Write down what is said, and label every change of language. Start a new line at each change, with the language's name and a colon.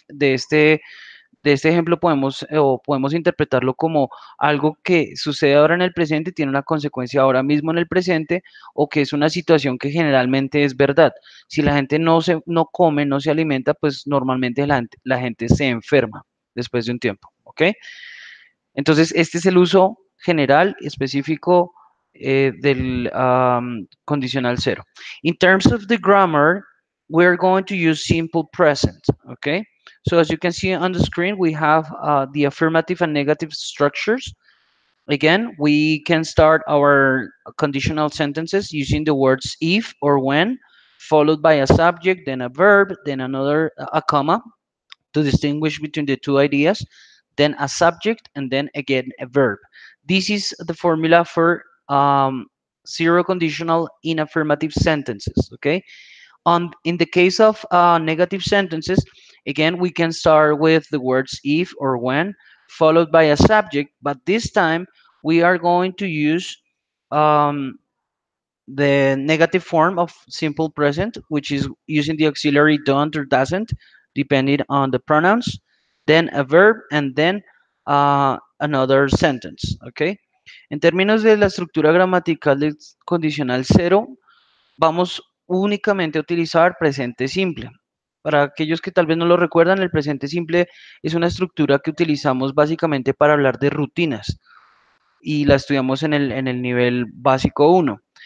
Spanish: De este ejemplo podemos interpretarlo como algo que sucede ahora en el presente, tiene una consecuencia ahora mismo en el presente, o que es una situación que generalmente es verdad. Si la gente no come, no se alimenta, pues normalmente la gente se enferma después de un tiempo. ¿Okay? Entonces, este es el uso general específico del condicional cero.
English: In terms of the grammar, we're going to use simple present, okay? So as you can see on the screen, we have the affirmative and negative structures. Again, we can start our conditional sentences using the words if or when, followed by a subject, then a verb, then another, a comma to distinguish between the two ideas, then a subject, and then again a verb. This is the formula for zero conditional in affirmative sentences, okay? In the case of negative sentences, again, we can start with the words if or when, followed by a subject, but this time we are going to use the negative form of simple present, which is using the auxiliary don't or doesn't, depending on the pronouns, then a verb, and then another sentence, okay?
Spanish: En términos de la estructura gramatical del condicional cero, vamos únicamente a utilizar presente simple. Para aquellos que tal vez no lo recuerdan, el presente simple es una estructura que utilizamos básicamente para hablar de rutinas y la estudiamos en el nivel básico 1.